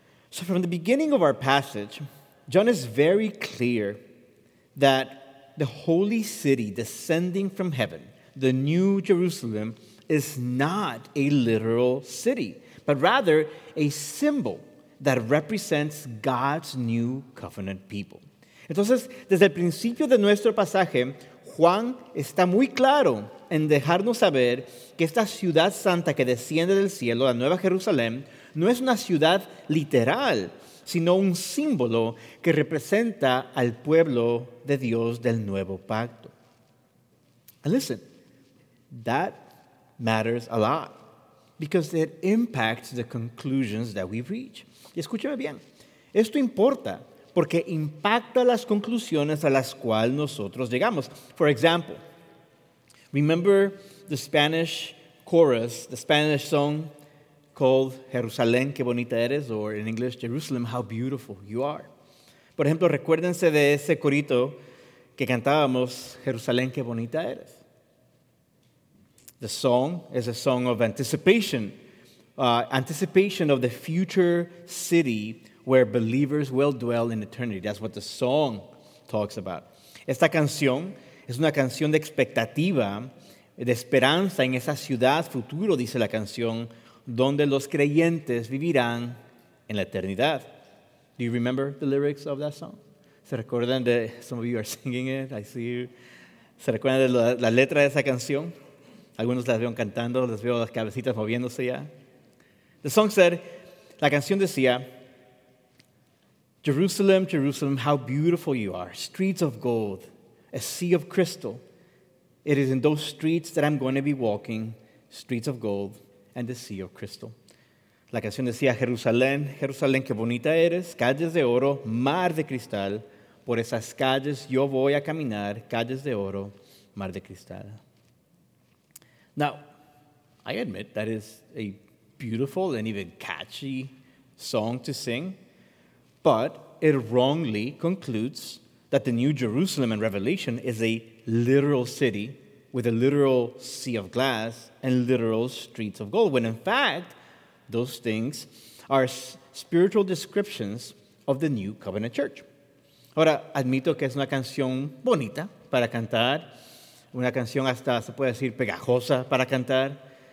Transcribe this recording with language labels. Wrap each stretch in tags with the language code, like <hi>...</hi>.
<en>So from the beginning of our passage, John is very clear that the holy city descending from heaven, the new Jerusalem, is not a literal city, but rather a symbol that represents God's new covenant people.</en> <es>Entonces, desde el principio de nuestro pasaje, Juan está muy claro en dejarnos saber que esta ciudad santa que desciende del cielo, la Nueva Jerusalén, no es una ciudad literal, sino un símbolo que representa al pueblo de Dios del nuevo pacto.</es> <en>And listen, that matters a lot because it impacts the conclusions that we reach.</en> <es>Y escúchame bien, esto importa porque impacta las conclusiones a las cuales nosotros llegamos.</es> <en>For example, remember the Spanish chorus, the Spanish song called</en> <es>Jerusalén, qué bonita eres,</es> <en>or in English, Jerusalem, how beautiful you are.</en> <es>Por ejemplo, recuérdense de ese corito que cantábamos, Jerusalén, qué bonita eres.</es> <en>The song is a song of anticipation. Anticipation of the future city where believers will dwell in eternity. That's what the song talks about.</en> <es>Esta canción es una canción de expectativa, de esperanza en esa ciudad futuro, dice la canción, donde los creyentes vivirán en la eternidad.</es> <en>Do you remember the lyrics of that song?</en> <es>¿Se recuerdan de,</es> <en>some of you are singing it, I see you.</en> <es>¿Se recuerdan de la letra de esa canción? Algunos las veo cantando, les veo las cabecitas moviéndose ya.</es> <en>The song said,</en> <es>la canción decía,</es> <en>Jerusalem, Jerusalem, how beautiful you are. Streets of gold, a sea of crystal. It is in those streets that I'm going to be walking. Streets of gold and the sea of crystal.</en> <es>La canción decía, Jerusalén, Jerusalén, qué bonita eres. Calles de oro, mar de cristal. Por esas calles yo voy a caminar. Calles de oro, mar de cristal.</es> <en>Now, I admit that is a beautiful and even catchy song to sing, but it wrongly concludes that the New Jerusalem in Revelation is a literal city with a literal sea of glass and literal streets of gold, when in fact, those things are spiritual descriptions of the New Covenant Church.</en> <es>Ahora, admito que es una canción bonita para cantar, una canción hasta se puede decir pegajosa para cantar,</es>